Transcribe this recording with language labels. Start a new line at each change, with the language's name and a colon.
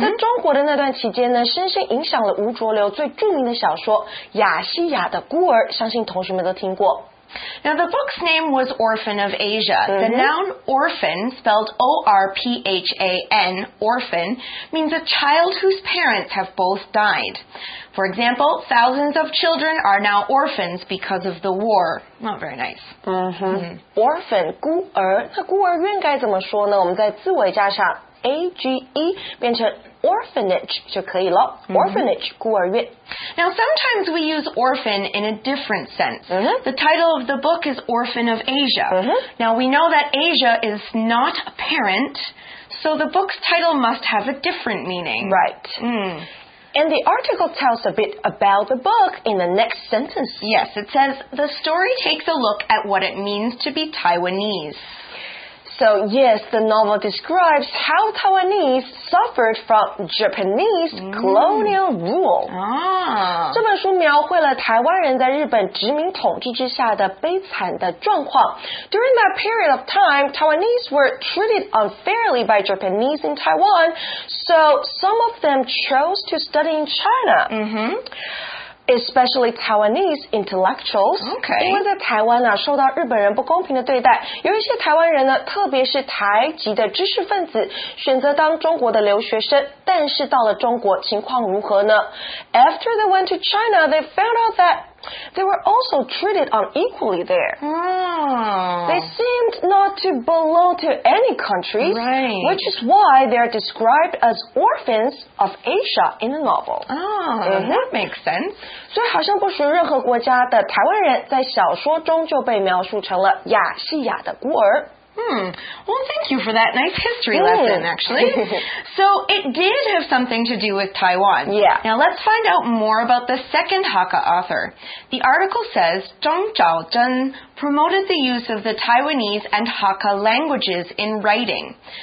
Chinese: 在中国的那段期间呢深深影响了吴浊流最著名的小说《亚细亚的孤儿》相信同学们都听过。
English: Now the book's name was Orphan of Asia.、Mm-hmm. The noun orphan, spelled O-R-P-H-A-N, orphan, means a child whose parents have both died. For example, thousands of children are now orphans because of the war. Not very nice.
Chinese: Mm-hmm. Mm-hmm. Orphan, 孤儿，那孤儿应该怎么说呢？我们在字尾加上 A-G-E, 变成Orphanage 就可以了、mm-hmm. Orphanage 孤儿院
English: Now sometimes we use orphan in a different sense、 mm-hmm. The title of the book is Orphan of Asia、 mm-hmm. Now we know that Asia is not a parent So the book's title must have a different meaning Right、 mm. And the article tells a bit about the book in the next sentence Yes, it says The story takes a look at what it means to be Taiwanese So, yes, the novel describes how Taiwanese suffered from Japanese colonial rule.
Chinese: 这本书描绘了台湾人在日本殖民统治之下的悲惨的状况。
English: During that period of time, Taiwanese were treated unfairly by Japanese in Taiwan, so some of them chose to study in China. Mm-hmm. Especially Taiwanese intellectuals. Okay.
Chinese: 因为在台湾啊受到日本人不公平的对待有一些台湾人呢特别是台籍的知识分子选择当中国的留学生但是到了中国情况如何呢
English: After they went to China, they found out thatThey were also treated unequally there.、 Oh. They seemed not to belong to any countries,、 right. which is why they are described as orphans of Asia in the novel. Oh,、mm-hmm. that makes sense.
Chinese: 所以好像不属于任何国家的台湾人在小说中就被描述成了亚细亚的孤儿。
English: Well, thank you for that nice history lesson, actually. So it did have something to do with Taiwan. Yeah. Now let's find out more about the second Hakka author. The article says Zhang Zhaozhen promoted the use of the Taiwanese and Hakka languages in writing.